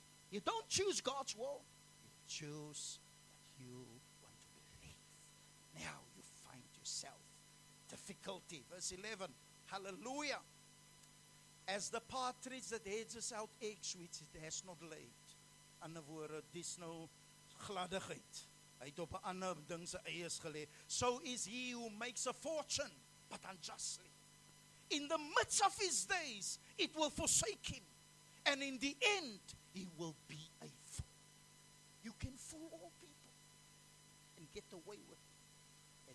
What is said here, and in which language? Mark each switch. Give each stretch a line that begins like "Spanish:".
English: You don't choose God's will. You choose what you want to believe. Now you find yourself in difficulty. Verse 11. Hallelujah. As the partridge that hedges out eggs which it has not laid. In other words, there's no gladdigheid.
Afrikaans: Hy het op 'n ander ding sy eiers gelê.
English: So is he who makes a fortune, but unjustly. In the midst of his days, it will forsake him. And in the end, he will be a fool. You can fool all people and get away with it.